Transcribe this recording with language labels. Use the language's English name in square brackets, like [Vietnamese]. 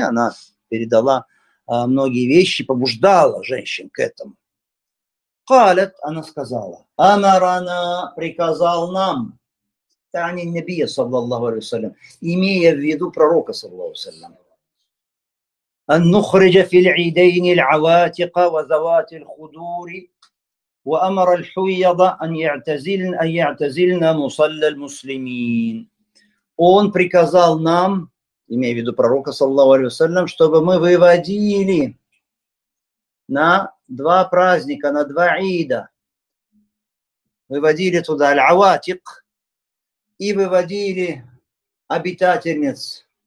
[Russian] Она передала многие вещи, побуждала женщин к этому. Калят, она сказала, Амарана приказал нам, Тани Набия, саллаллаху алейхи вассалям, имея в виду пророка, саллаллаху алейхи вассалям. [Arabic] أن نخرج في العيدين العواتق وذوات الخدور وأمر الحويض أن يعتزلن أن يعتزلن مصلى المسلمين. [Russian] Он приказал нам, имея в виду пророка саллаллаху алейхи вассалям, чтобы мы выводили на два праздника, на два ида, выводили туда العواتق и выводили обитательниц.